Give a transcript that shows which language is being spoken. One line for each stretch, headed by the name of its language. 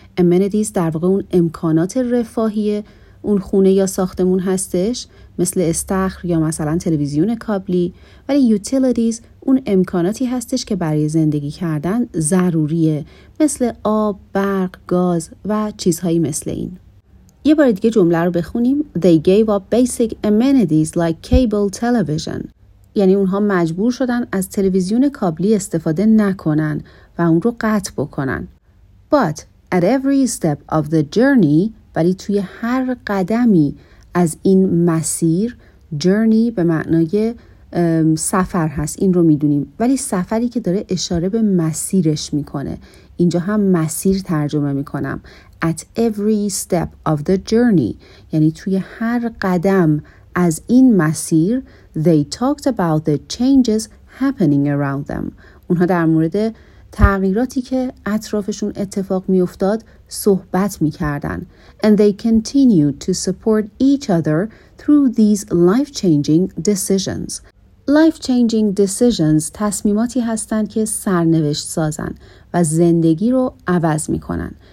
Persian: Amenities در واقع اون امکانات رفاهیه اون خونه یا ساختمون هستش، مثل استخر یا مثلا تلویزیون کابلی، ولی utilities اون امکاناتی هستش که برای زندگی کردن ضروریه، مثل آب، برق، گاز و چیزهایی مثل این. یه بار دیگه جمله رو بخونیم.
English: They gave up basic amenities like cable television.
Persian: یعنی اونها مجبور شدن از تلویزیون کابلی استفاده نکنن و اون رو قطع بکنن.
English: But at every step of the journey،
Persian: ولی توی هر قدمی از این مسیر، journey به معنای سفر هست، این رو میدونیم، ولی سفری که داره اشاره به مسیرش میکنه، اینجا هم مسیر ترجمه میکنم.
English: At every step of the journey،
Persian: یعنی توی هر قدم از این مسیر،
English: they talked about the changes happening around them.
Persian: اونها در مورد تغییراتی که اطرافشون اتفاق می افتاد صحبت می کردن.
English: And they continued to support each other through these life-changing decisions.
Persian: Life-changing decisions تصمیماتی هستند که سرنوشت سازن و زندگی رو عوض می کنن.